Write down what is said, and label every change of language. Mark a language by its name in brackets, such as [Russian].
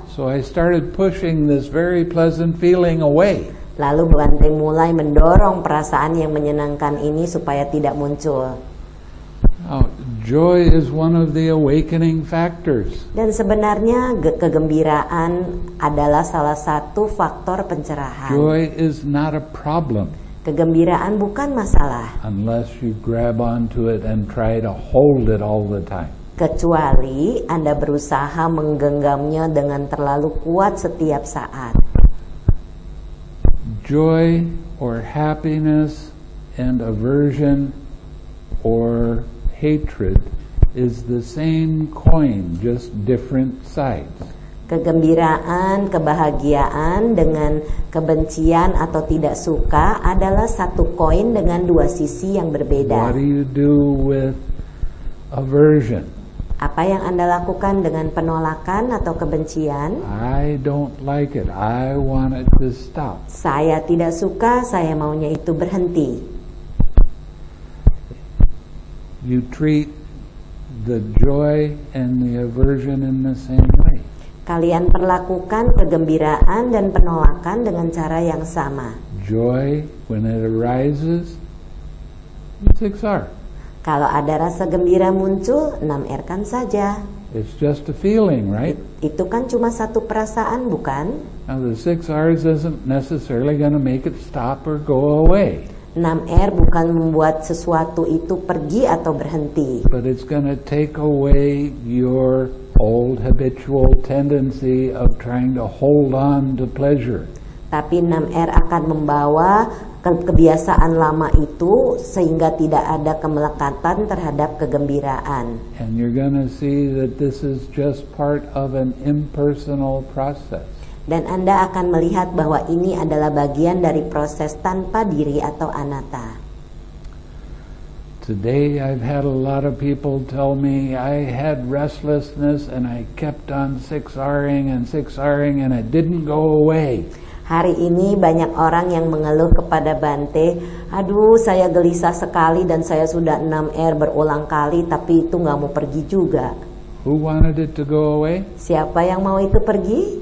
[English] So I started pushing this very pleasant feeling away. [Indonesian] Lalu Bante mulai mendorong perasaan yang menyenangkan ini supaya tidak muncul. Oh, [English] joy is one of the awakening factors. [Indonesian] Dan sebenarnya kegembiraan adalah salah satu faktor pencerahan. [English] Joy is not a problem. [Indonesian] Kegembiraan bukan masalah. [English] Unless you grab onto it and try to hold it all the time. [Indonesian] Kecuali Anda berusaha menggenggamnya dengan terlalu kuat setiap saat. [English] Joy or happiness and aversion or hatred is the same coin, just different sides. [Indonesian] Kegembiraan, kebahagiaan dengan kebencian atau tidak suka adalah satu koin dengan dua sisi yang berbeda. [English] What do you do with aversion? [Indonesian] Apa yang Anda lakukan dengan penolakan atau kebencian? [English] I don't like it. I want it to stop. [Indonesian] Saya tidak suka, saya maunya itu berhenti. [English] You treat the joy and the aversion in the same way. [Indonesian] Kalian perlakukan kegembiraan dan penolakan dengan cara yang sama. [English] Joy, when it arises, 6R. [Indonesian] Kalau ada rasa gembira muncul, 6R kan saja. [English] It's just a feeling, right? [Indonesian] Itu kan cuma satu perasaan, bukan? [English] Now the 6R's isn't necessarily going to make it stop or go away. [Indonesian] 6R bukan membuat sesuatu itu pergi atau berhenti. [English] But it's going to take away your old habitual tendency of trying to hold on to pleasure. [Indonesian] Tapi 6R akan membawa kebiasaan lama itu sehingga tidak ada kemelekatan terhadap kegembiraan. [English] And you're going to see that this is just part of an impersonal process. [Indonesian] Dan Anda akan melihat bahwa ini adalah bagian dari proses tanpa diri atau anatta. [English] Today I've had a lot of people tell me I had restlessness and I kept on 6R-ing and it didn't go away. [Indonesian] Hari ini banyak orang yang mengeluh kepada Bante, aduh saya gelisah sekali dan saya sudah 6R berulang kali tapi itu gak mau pergi juga. [English] Who wanted it to go away? [Indonesian] Siapa yang mau itu pergi?